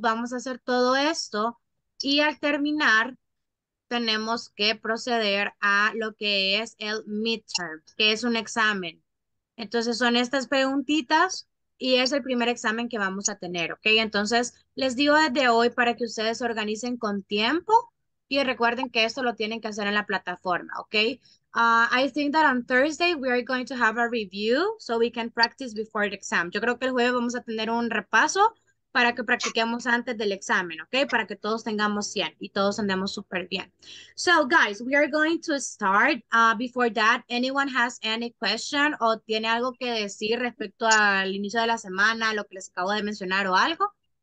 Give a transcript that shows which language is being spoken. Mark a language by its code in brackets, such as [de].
[es] Vamos a hacer todo esto y al terminar tenemos que proceder a lo que es el midterm, que es un examen. Entonces son estas preguntitas y es el primer examen que vamos a tener, ¿ok? Entonces les digo desde hoy para que ustedes se organicen con tiempo y recuerden que esto lo tienen que hacer en la plataforma, ¿ok? [en] I think that on Thursday we are going to have a review so we can practice before the exam. [es] Yo creo que el jueves vamos a tener un repaso para que practiquemos antes del examen, ¿ok? Para que todos tengamos 100 y todos andemos súper bien. [en] So, guys, we are going to start. Before that, anyone has any question [es] o tiene algo que decir respecto al inicio de la semana, lo que les acabo de mencionar o algo?